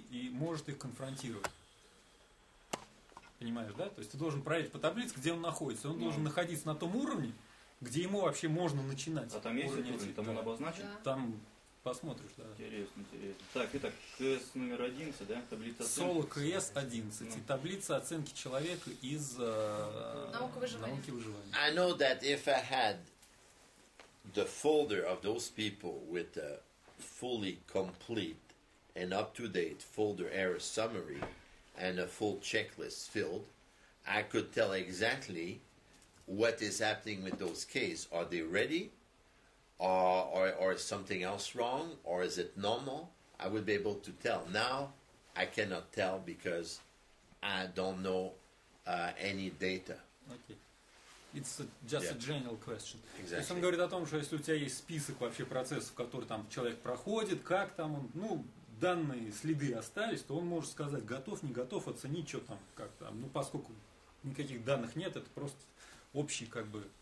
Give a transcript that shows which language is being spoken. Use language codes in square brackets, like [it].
[ru] и может их конфронтировать. Понимаешь, да? То есть ты должен проверить по таблице, где он находится. Он должен находиться на том уровне, где ему вообще можно начинать. А там есть уровень, эти, там он обозначен? Да. Там посмотришь, да. Интересно, интересно. Так, итак, КС номер 11, да? Таблица оценки. Соло КС 11. И таблица оценки человека из науки выживания. [en] I know that if I had the folder of those people with a fully complete and up-to-date folder error summary and a full checklist filled, I could tell exactly what is happening with those cases. Are they ready? Or is something else wrong? Or is it normal? I would be able to tell. Now, I cannot tell because I don't know any data. Okay. It's just a general question. Exactly. [ru] То есть он говорит о том, что если у тебя есть список вообще процессов, которые там человек проходит, как там он, ну, данные, следы остались, то он может сказать, готов, не готов, оценить, что там, как там. Ну, поскольку никаких данных нет, это просто общий, как бы...